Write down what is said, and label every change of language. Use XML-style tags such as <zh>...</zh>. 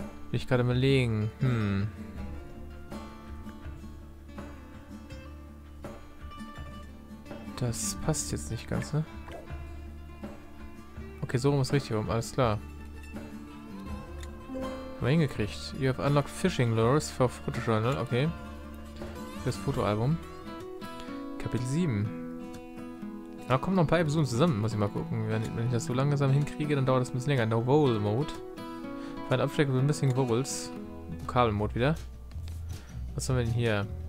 <de>Ich kann überlegen. Das passt jetzt nicht ganz, ne? Okay, so rum ist richtig rum, alles klar. Haben wir hingekriegt.</de> <en>You have unlocked fishing lures for photo journal, okay.</en> <de>Fürs Fotoalbum. Kapitel 7. Da kommen noch ein paar Episoden zusammen, muss ich mal gucken. Wenn ich das so langsam hinkriege, dann dauert das ein bisschen länger.</de> <en>No vowel mode. Find object with missing vowels.</en> <de>Vokal mode wieder. Was haben wir denn hier?</de>